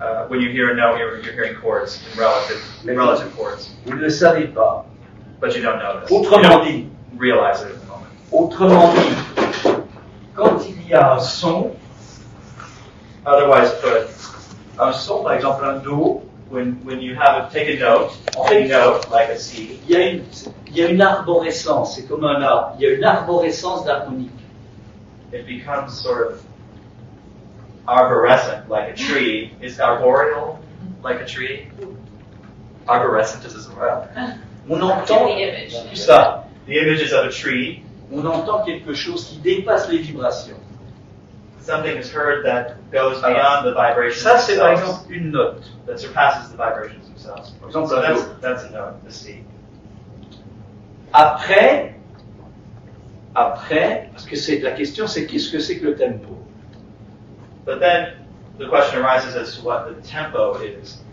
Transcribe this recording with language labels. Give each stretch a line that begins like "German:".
English: When you hear a note, you're hearing chords, relative chords.
French: Vous ne le savez pas.
English: But you don't know this.
French: Autrement dit.
English: You don't realize it at the moment.
French: Autrement dit, quand il y a un son,
English: otherwise put,
French: un son, par exemple un do,
English: when you have take a note, like a C.
French: Il y a une arborescence, c'est comme un arbre. Il y a une arborescence d'harmonique.
English: It becomes sort of arborescent, like a tree. Is arboreal, like a tree? Arborescent is as well.
French: On entend
English: the image. Ça, the image is of a tree.
French: On entend quelque chose qui dépasse les vibrations.
English: Something is heard that goes beyond the vibrations
French: ça, c'est
English: themselves.
French: Par exemple, une note.
English: That surpasses the vibrations themselves.
French: Par exemple,
English: so that's a note, the C.
French: Après, parce que c'est la question, c'est qu'est-ce que c'est que le tempo?
English: But then, the question arises as to what the tempo is.